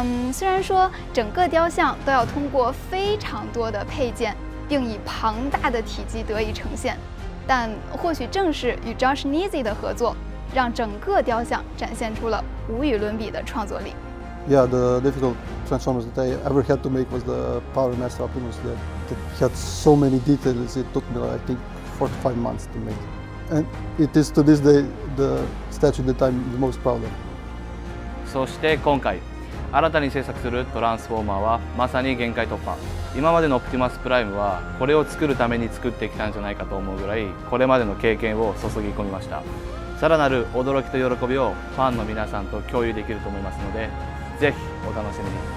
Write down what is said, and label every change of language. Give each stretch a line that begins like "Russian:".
Chinese: 虽然说整个雕像都要通过非常多的配件，并以庞大的体积得以呈现，但或许正是与 Josh Neasy 的合作。让整个雕像展现出了无与伦比的创作力。
English: Yeah, the difficult Transformers that I ever had to make was the Power Master Optimus. That had so many details. It took me, I think, 45 months to make. And it is to this day the statue that I'm the most proud of.
Japanese: そして今回新たに制作するトランスフォーマーはまさに限界突破。今までのオプティマスプライムはこれを作るために作ってきたんじゃないかと思うぐらい、これまでの経験を注ぎ込みました。さらなる驚きと喜びをファンの皆さんと共有できると思いますので、ぜひお楽しみに。